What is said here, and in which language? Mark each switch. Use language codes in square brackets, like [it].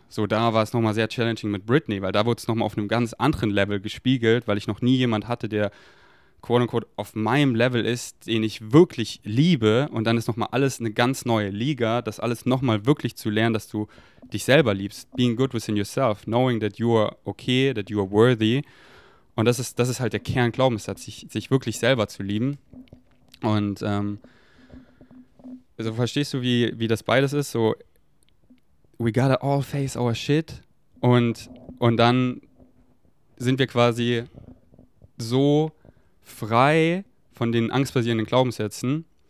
[de] So da war es nochmal sehr challenging mit Britney, weil da wurde es nochmal auf einem ganz anderen Level gespiegelt, weil ich noch nie jemand hatte, der quote-unquote auf meinem Level ist, den ich wirklich liebe. Und dann ist nochmal alles eine ganz neue Liga, das alles nochmal wirklich zu lernen, dass du dich selber liebst. [en] Being good within yourself, knowing that you are okay, that you are worthy. [de] Und das ist halt der Kernglaubenssatz, sich wirklich selber zu lieben. Und also verstehst du, wie das beides ist? [en] So, we gotta all face our shit. [de] Und dann sind wir quasi so frei von den angstbasierenden Glaubenssätzen.